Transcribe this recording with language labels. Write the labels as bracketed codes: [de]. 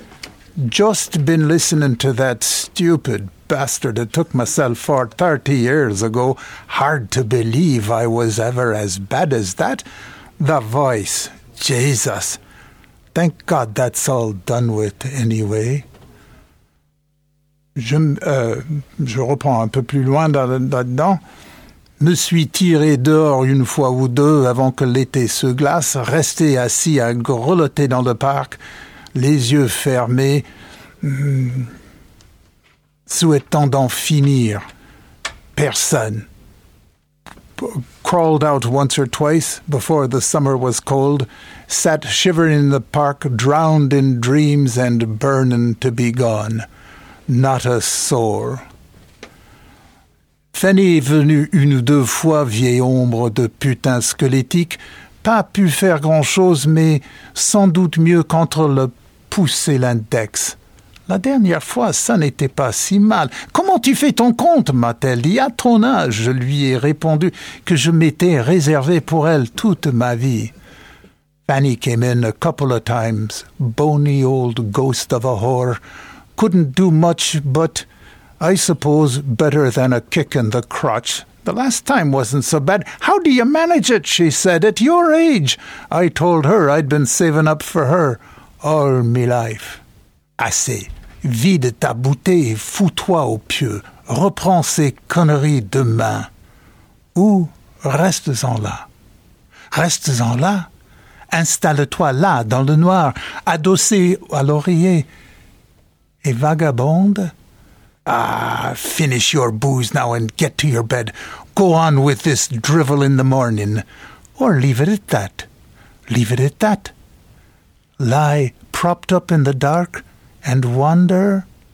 [en] « Just been listening to that stupid bastard that took myself for 30 years ago. Hard to believe I was ever as bad as that. The voice, Jesus. Thank God that's all done with anyway. » [fr] je reprends un peu plus loin là-dedans. Me suis tiré dehors une fois ou deux avant que l'été se glace, resté assis à grelotter dans le parc, les yeux fermés, souhaitant d'en finir. Personne. [en] Crawled out once or twice before the summer was cold, sat shivering in the park, drowned in dreams and burning to be gone. Not a soul. [fr] Fanny est venue une ou deux fois, vieille ombre de putain squelettique, pas pu faire grand-chose, mais sans doute mieux qu'entre le pouce et l'index. La dernière fois, ça n'était pas si mal. « Comment tu fais ton compte ?» m'a-t-elle dit. « À ton âge, je lui ai répondu que je m'étais réservé pour elle toute ma vie. » [en] Fanny came in a couple of times, bony old ghost of a whore. Couldn't do much, but I suppose better than a kick in the crotch. The last time wasn't so bad. How do you manage it, she said, at your age? I told her I'd been saving up for her all my life. [fr] Assez. Vide ta bouteille et fous-toi au pieu. Reprends ces conneries demain. Ou restes-en là. Restes-en là. Installe-toi là, dans le noir, adossé à l'oreiller. Et vagabonde? [en] Ah, finish your booze now and get to your bed. Go on with this drivel in the morning. Or leave it at that. Leave it at that. Lie propped up in the dark and wander.